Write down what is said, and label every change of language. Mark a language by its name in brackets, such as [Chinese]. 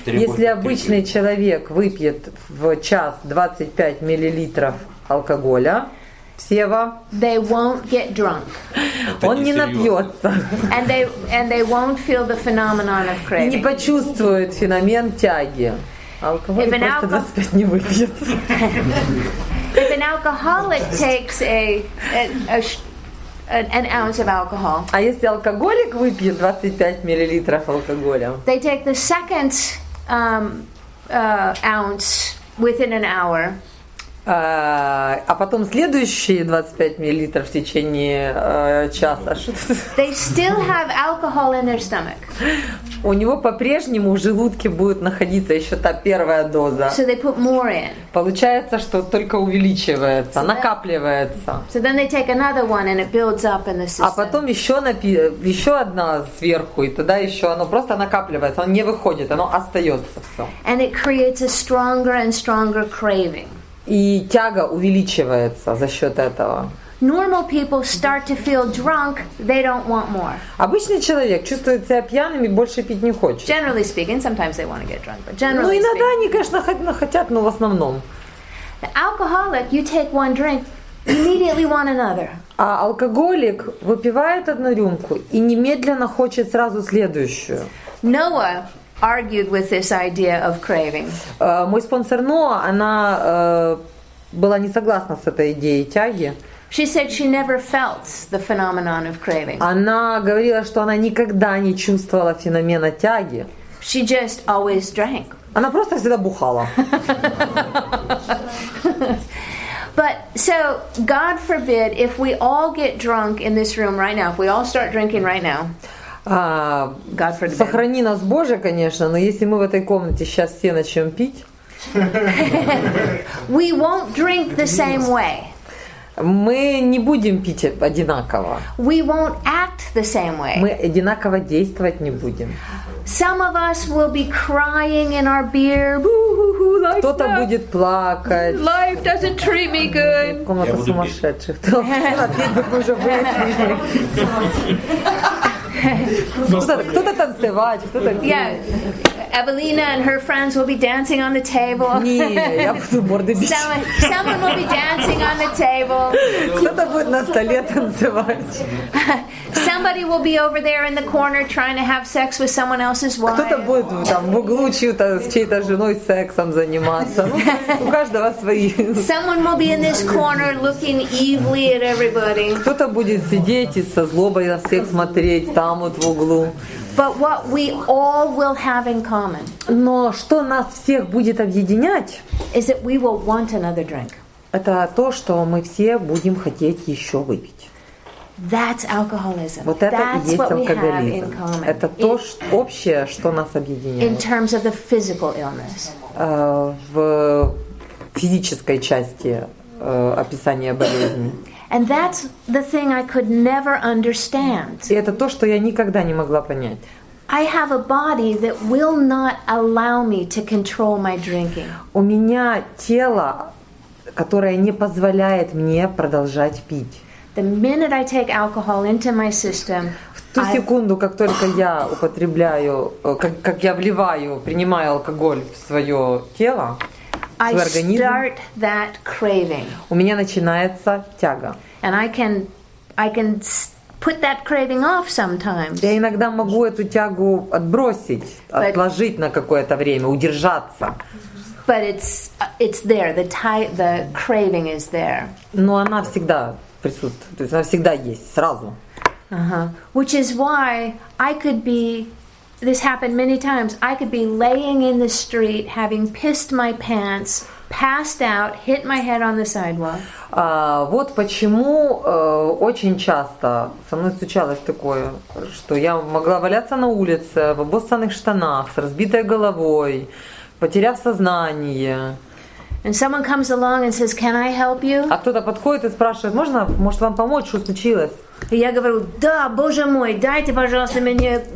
[Russian] если обычный человек выпьет в час 25 миллилитров алкоголя, Сева. [English] They won't get drunk. [Russian] Он не напьется. [English] And they won't feel the phenomenon of craving. [Russian] И не почувствует феномен тяги. Алкоголь просто 25 не выпьет. [English] If an alcoholic takes an ounce of alcohol. [Russian] А если алкоголик выпьет 25 миллилитров алкоголя? [English] They take the second ounce within an hour. [Russian] А потом следующие 25 миллилитров в течение часа. [English] They still have alcohol in their stomach. [Russian] у него по-прежнему в желудке будет находиться еще та первая доза. [English] So they put more in. [Russian] Получается, что только увеличивается, so накапливается. [English] So then they take another one and it builds up in the system. [Russian] А потом еще, еще одна сверху, и тогда еще оно просто накапливается, оно не выходит, оно остается все. [English] And it creates a stronger and stronger craving. [Russian] И тяга увеличивается за счет этого. [English] Normal people start to feel drunk, they don't want more. [Russian] Обычный человек чувствует себя пьяным и больше пить не хочет. [English] Generally speaking, sometimes they want to get drunk, but generally. [Russian] Ну иногда они, конечно, хотят, но в основном. [English] The alcoholic, you take one drink, immediately want another. [Russian] А алкоголик выпивает одну рюмку и немедленно хочет сразу следующую. [English] Noah argued with this idea of craving. [Russian] Мой спонсор Ноа, она была не согласна с этой идеей тяги. [English] She said she never felt the phenomenon of craving. [Russian] Она говорила, что она никогда не чувствовала феномена тяги. [English] She just always drank. [Russian] Она просто всегда бухала. [English] But so God forbid if we all get drunk in this room right now, if we all start drinking right now. God forbid. [Russian] Сохрани нас Боже, конечно, но если мы в этой комнате сейчас все начнем пить, [English] we won't drink the same way. [Russian] Мы не будем пить одинаково. [English] We won't act the same way. [Russian] Мы одинаково действовать не будем. [English] Some of us will be crying in our beer. [Russian] Кто-то будет плакать. [English] Life doesn't treat me good. [Russian] Комната сумасшедших. Кто-то танцевать, кто-то. [English] Yeah, Evelina and her friends will be dancing on the table. [Russian] Не, я буду морды бить. [English] Someone will be dancing on the table. [Russian] Кто-то будет на столе танцевать. [English] Somebody will be over there in the corner trying to have sex with someone else's wife. [Russian] Кто-то будет там в углу с чьей-то женой сексом заниматься. У каждого свои. [English] Someone will be in this corner looking evilly at everybody. [Russian] Кто-то будет сидеть и со злобой на всех смотреть. Там вот в углу. [English] But what we all will have in common. [Russian] Но что нас всех будет объединять? [English] Is that we will want another drink. [Russian] Это то, что мы все будем хотеть еще выпить. [English] That's alcoholism. [Russian] Вот это [English] That's [Russian] и есть [English] what [Russian] алкоголизм. [English] We have in common. [Russian] Это то общее, что нас объединяет. [English] In terms of the physical illness. [Russian] В физической части описания болезни. [English] And that's the thing I could never understand. [Russian] И это то, что я никогда не могла понять. [English] I have a body that will not allow me to control my drinking. [Russian] У меня тело, которое не позволяет мне продолжать пить. [English] The minute I take alcohol into my system, [Russian] в ту секунду, как только я употребляю, как я вливаю, принимаю алкоголь в свое тело, [English] I start that craving. [Russian] У меня начинается тяга. [English] And I can put that craving off sometimes. [Russian] Я иногда могу эту тягу отбросить, отложить на какое-то время, удержаться. [English] But it's there. The craving is there. [Russian] Но она всегда присутствует. То есть она всегда есть сразу. [English] Uh-huh. Which is why I could be. This happened many times. I could be laying in the street, having pissed my pants, passed out, hit my head on the sidewalk. [Russian] Вот почему очень часто со мной случалось такое, что я могла валяться на улице в обоссанных штанах, с разбитой головой, потеряв сознание. [English] And someone comes along and says, "Can I help you?" [Russian] А кто-то подходит и спрашивает: "Можно, может вам помочь, что случилось?" И я говорю, да, боже мой, дайте, пожалуйста, мне водки.